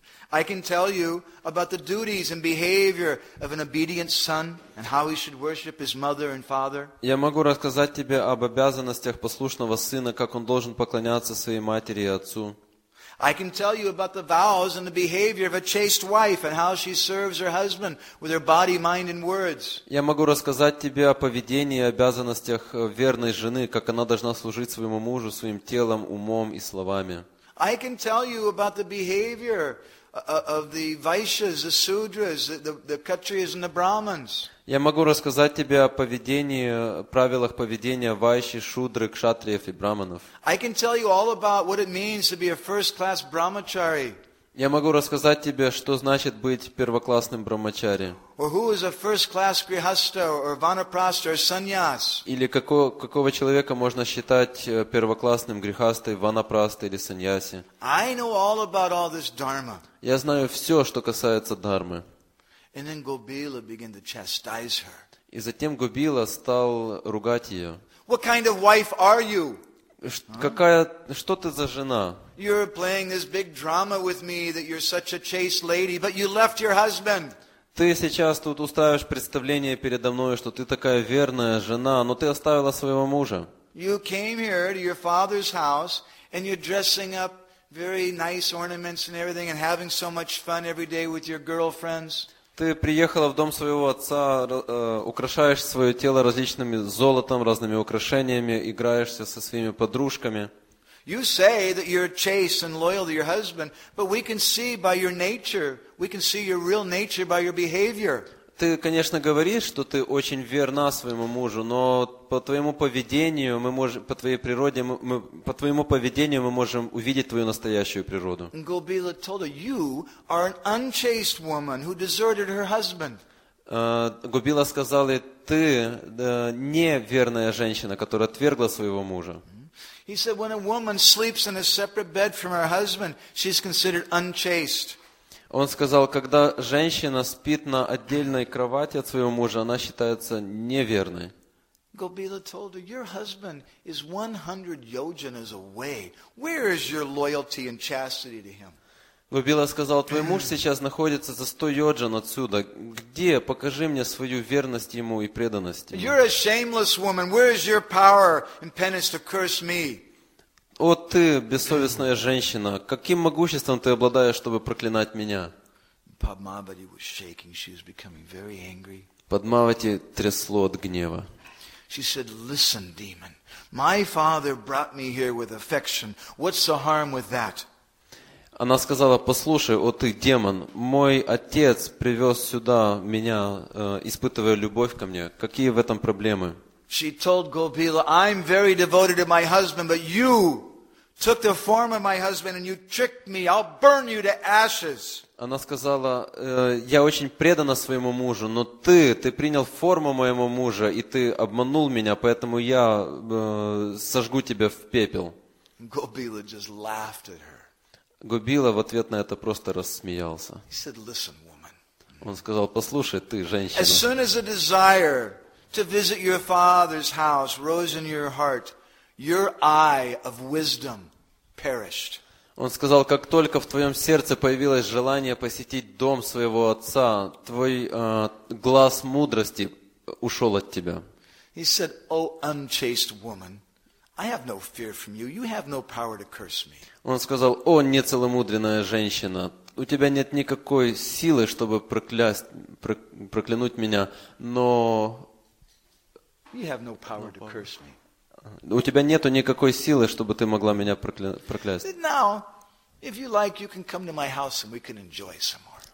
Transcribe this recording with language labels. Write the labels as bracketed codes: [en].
[en] I can tell you about the duties and behavior of an obedient son and how he should worship his mother and father. [ru] Я могу рассказать тебе об обязанностях послушного сына, как он должен поклоняться своей матери и отцу. [en] I can tell you about the vows and the behavior of a chaste wife and how she serves her husband with her body, mind and words. [ru] Я могу рассказать тебе о поведении и обязанностях верной жены, как она должна служить своему мужу своим телом, умом и словами. [en] I can tell you about the behavior of the Vaishyas, the Sudras, the Kshatriyas and the Brahmins. [ru] Я могу рассказать тебе о поведении, правилах поведения Вайши, Шудры, Кшатриев и Брахманов. [en] I can tell you all about what it means to be a first-class Brahmachari. [ru] Я могу рассказать тебе, что значит быть первоклассным Брахмачари. [en] Or who is a first-class Grihastha or Vanaprastha or Sannyas. [ru] Или какого человека можно считать первоклассным Грихастой, Ванапрастой или Саньяси. [en] I know all about all this Dharma. [ru] Я знаю все, что касается Дхармы. [en] And then Gobila began to chastise her. [ru] И затем Гобила стал ругать ее. [en] What kind of wife are you? [ru] Какая, что ты за жена? [en] You're playing this big drama with me that you're such a chaste lady, but you left your husband. [ru] Ты сейчас тут устраиваешь представление передо мной, что ты такая верная жена, но ты оставила своего мужа. [en] You came here to your father's house and you're dressing up very nice ornaments and everything and having so much fun every day with your girlfriends. [ru] Ты приехала в дом своего отца, украшаешь свое тело различными золотом, разными украшениями, играешься со своими подружками. [en] You say that you're chaste and loyal to your husband, but we can see by your nature, we can see your real nature by your behavior. [ru] Ты, конечно, говоришь, что ты очень верна своему мужу, но по твоему поведению мы можем, по твоей природе, мы, по твоему поведению мы можем увидеть твою настоящую природу. [en] Gobila told her, you are an unchaste woman who deserted her husband. [ru] Gobila сказала ей, ты неверная женщина, которая отвергла своего мужа. [en] He said, when a woman sleeps in a separate bed from her husband, she's considered unchaste. [ru] Он сказал, когда женщина спит на отдельной кровати от своего мужа, она считается неверной. [en] Gobila told her, your husband is 100 yojanas away. Where is your loyalty and chastity to him? [ru] Gobila сказал, твой муж сейчас находится за 100 йоджан отсюда. Где? Покажи мне свою верность ему и преданность ему. [en] You're a shameless woman. Where is your power and penance to curse me? [ru] О, ты, бессовестная женщина, каким могуществом ты обладаешь, чтобы проклинать меня? [en] Padmavati was shaking, she was becoming very angry. [ru] Padmavati трясло от гнева. [en] She said, listen, demon, my father brought me here with affection. What's the harm with that? [ru] Она сказала, послушай, о ты, демон, мой отец привез сюда меня, испытывая любовь ко мне. Какие в этом проблемы? [en] She told Gobila, I'm very devoted to my husband, but you took the form of my husband and you tricked me. I'll burn you to ashes. [ru] Она сказала, я очень предана своему мужу, но ты принял форму моему мужа, и ты обманул меня, поэтому я сожгу тебя в пепел. [en] Gobila just laughed at her. [ru] Gobila в ответ на это просто рассмеялся. [en] He said, listen, woman. [ru] Он сказал, послушай, ты, женщина. [en] As soon as a desire to visit your father's house rose in your heart, your eye of wisdom perished. [ru] Он сказал, как только в твоем сердце появилось желание посетить дом своего отца, твой глаз мудрости ушел от тебя. [en] He said, "O unchaste woman, I have no fear from you. You have no power to curse me." [ru] Он сказал, о нецеломудренная женщина. У тебя нет никакой силы, чтобы проклянуть меня, но [en] you have no power to curse me. [ru] У тебя нету никакой силы, чтобы ты могла меня проклясть. [en] Now, if you like, you can come to my house and we can enjoy some more.